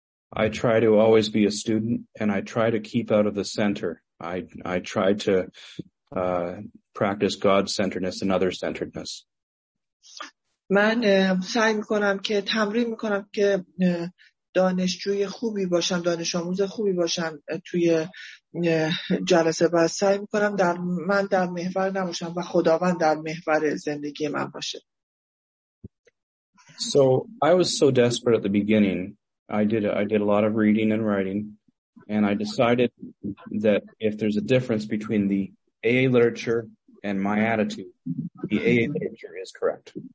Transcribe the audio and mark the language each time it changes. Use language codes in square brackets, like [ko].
[en] I try to always be a student and I try to keep out of the center. I try to practice God-centeredness and other-centeredness. [fa] من سعی میکنم که تمرین میکنم که دانشجوی خوبی باشم، دانش آموز خوبی باشم توی جلسه و سعی میکنم در من در محور نباشم و خداوند در محور زندگی من باشه. [en] So I was so desperate at the beginning. I did a lot of reading and writing and I decided that if there's a difference between the AA literature and my attitude, the AA literature is correct.